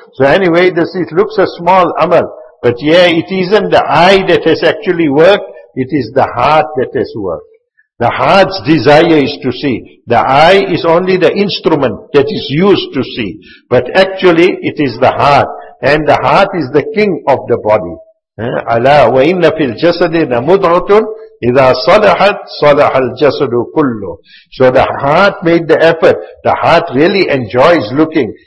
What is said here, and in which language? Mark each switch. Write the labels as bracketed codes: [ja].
[en] So anyway, it looks a small amal, but yeah, it isn't the eye that has actually worked, it is the heart that has worked. The heart's desire is to see. The eye is only the instrument that is used to see. But actually, it is the heart. And the heart is the king of the body. [ar] Allah, وَإِنَّ فِي الْجَسَدِ لَمُضْغَةٌ إِذَا صَلَحَتْ صَلَحَ الْجَسَدُ كُلُّ. [en] So the heart made the effort. The heart really enjoys looking.